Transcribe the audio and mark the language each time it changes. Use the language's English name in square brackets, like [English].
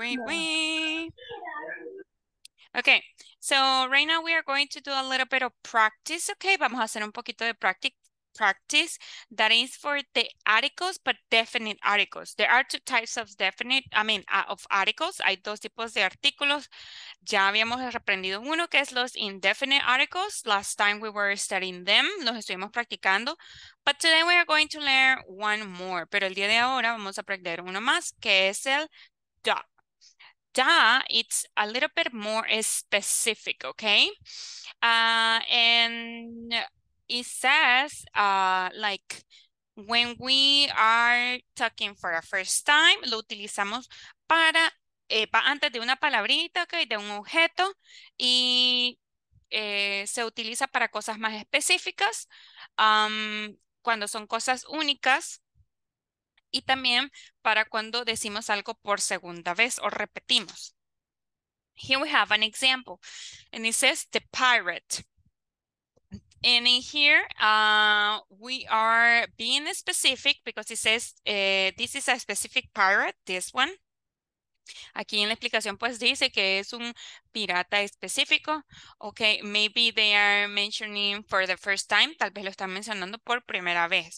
[English] Okay, so right now we are going to do a little bit of practice, okay? [Spanish] Vamos a hacer un poquito de practice. [English] That is for the articles, but definite articles. There are two types of definite, of articles. [Spanish] Hay dos tipos de artículos. Ya habíamos aprendido uno, que es los [English] indefinite articles. Last time we were studying them, [Spanish] los estuvimos practicando. [English] But today we are going to learn one more. [Spanish] Pero el día de ahora vamos a aprender uno más, que es el da. [English] Da, it's a little bit more specific, okay? And it says, like, when we are talking for a first time, [Spanish] lo utilizamos para, antes de una palabrita, okay, de un objeto, y se utiliza para cosas más específicas, cuando son cosas únicas, y también para cuando decimos algo por segunda vez o repetimos. [English] Here we have an example. And it says the pirate. And in here, we are being specific because it says this is a specific pirate, this one. [Spanish] Aquí en la explicación pues dice que es un pirata específico. [English] Okay, maybe they are mentioning for the first time. [Spanish] Tal vez lo están mencionando por primera vez.